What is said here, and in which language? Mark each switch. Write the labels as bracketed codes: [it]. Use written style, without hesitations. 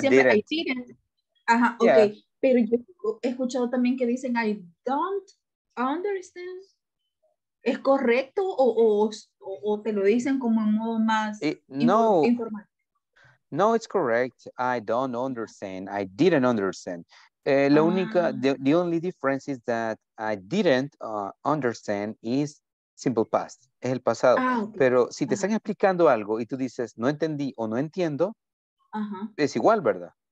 [es] siempre, [en] didn't. I didn't. [es] Ajá, yeah. Okay. Pero yo he escuchado también que dicen, [en] I don't understand. [es] ¿Es correcto o te lo dicen como en modo más informal? [en] No, it's correct. I don't understand. I didn't understand. [es] La única, [en] the only difference is that I didn't understand is simple past. [es] Es el pasado. [en] Okay. [es] Pero si te están explicando algo y tú dices, no entendí o no entiendo, es igual, ¿verdad?